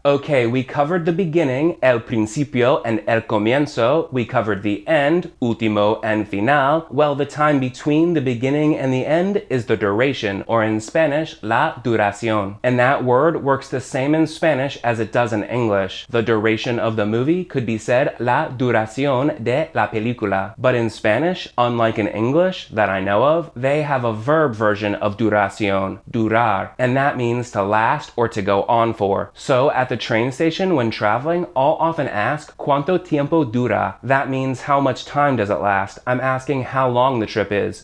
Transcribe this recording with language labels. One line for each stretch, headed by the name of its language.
English: Okay, we covered the beginning, el principio and el comienzo. We covered the end, último and final. Well, the time between the beginning and the end is the duration, or in Spanish, la duración. And that word works the same in Spanish as it does in English. The duration of the movie could be said
Spanish: la duración de la película.
English: But in Spanish, unlike in English, that I know of, they have a verb version of duración, durar, and that means to last or to go on for. So at the train station when traveling, I'll often ask,
Spanish: ¿cuánto tiempo dura?
English: That means how much time does it last? I'm asking how long the trip is.